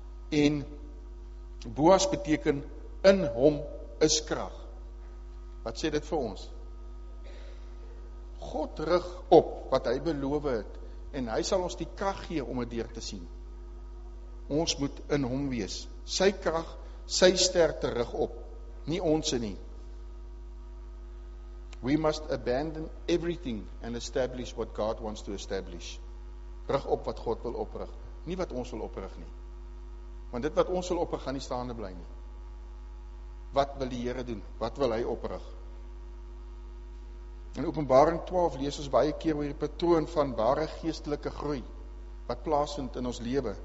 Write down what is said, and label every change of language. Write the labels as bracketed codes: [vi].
[af] En Boas beteken, in hom is krag. Wat sê dit vir ons? God rig op wat hy beloof het en hy sal ons die krag gee om het deur te sien. Ons moet in hom wees. Sy krag, sy sterkte rig op, nie ons nie. [en] We must abandon everything and establish what God wants to establish. [af] Rig op wat God wil oprig, nie wat ons wil oprig nie. Want dit wat ons wil oprig gaan nie staande bly nie. Wat wil die Here doen? Wat wil hy oprig? In Openbaring 12 lees ons baie keer oor die patroon van ware geestelike groei wat plaasvind in ons lewe.